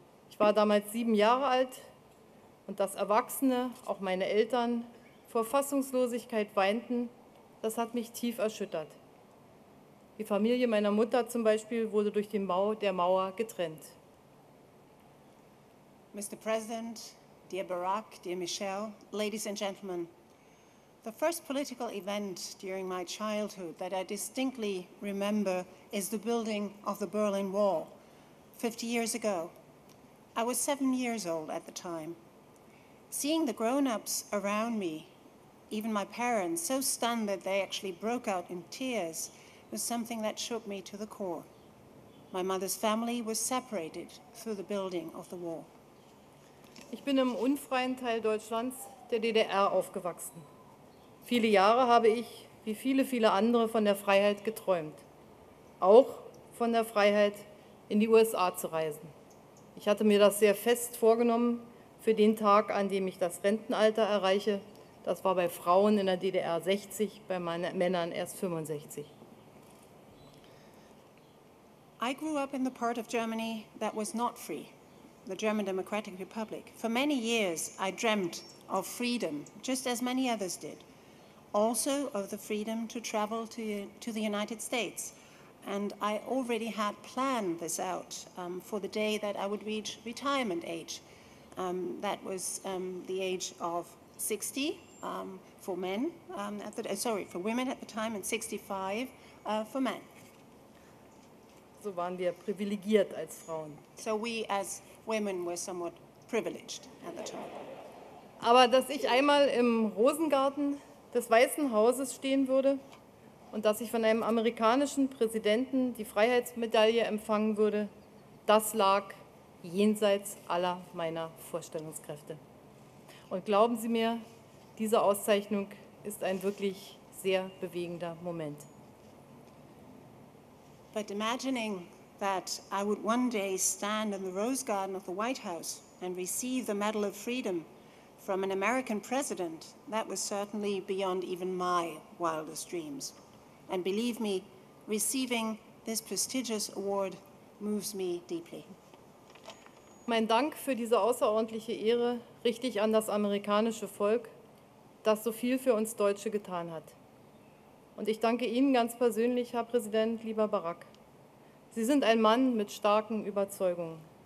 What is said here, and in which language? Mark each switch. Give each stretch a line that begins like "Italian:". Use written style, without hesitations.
German: Ich war damals 7 Jahre alt und dass Erwachsene, auch meine Eltern, vor Fassungslosigkeit weinten, das hat mich tief erschüttert. Die Familie meiner Mutter zum Beispiel wurde durch den Bau der Mauer getrennt.
English: Mr. President, dear Barack, dear Michelle, ladies and gentlemen, the first political event during my childhood that I distinctly remember is the building of the Berlin Wall, 50 years ago. I was 7 years old at the time. Seeing the grown-ups around me, even my parents, so stunned that they actually broke out in tears, was something that shook me to the core. My mother's family was separated through the building of the wall.
German: Ich bin im unfreien Teil Deutschlands, der DDR, aufgewachsen. Viele Jahre habe ich, wie viele, viele andere, von der Freiheit geträumt. Auch von der Freiheit, in die USA zu reisen. Ich hatte mir das sehr fest vorgenommen für den Tag, an dem ich das Rentenalter erreiche. Das war bei Frauen in der DDR 60, bei meinen Männern erst 65.
English: I grew up in the part of Germany that was not free, the German Democratic Republic. For many years I dreamt of freedom, just as many others did. Also of the freedom to travel to the United States. And I already had planned this out for the day that I would reach retirement age. That was the age of 60 for men, for women at the time, and 65 for men.
German: So waren wir privilegiert als Frauen.
English: So we as women were somewhat privileged at the time.
German: Aber dass ich einmal im Rosengarten des Weißen Hauses stehen würde und dass ich von einem amerikanischen Präsidenten die Freiheitsmedaille empfangen würde, das lag jenseits aller meiner Vorstellungskräfte. Und glauben Sie mir, diese Auszeichnung ist ein wirklich sehr bewegender Moment.
English: But imagining that I would one day stand in the Rose Garden of the White House and receive the Medal of Freedom from an American president, that was certainly beyond even my wildest dreams. And believe me, receiving this prestigious award moves me deeply.
German: Mein Dank für diese außerordentliche Ehre richte ich an das amerikanische Volk, das so viel für uns Deutsche getan hat. Und ich danke Ihnen ganz persönlich, Herr Präsident, lieber Barack. Sie sind ein Mann mit starken Überzeugungen.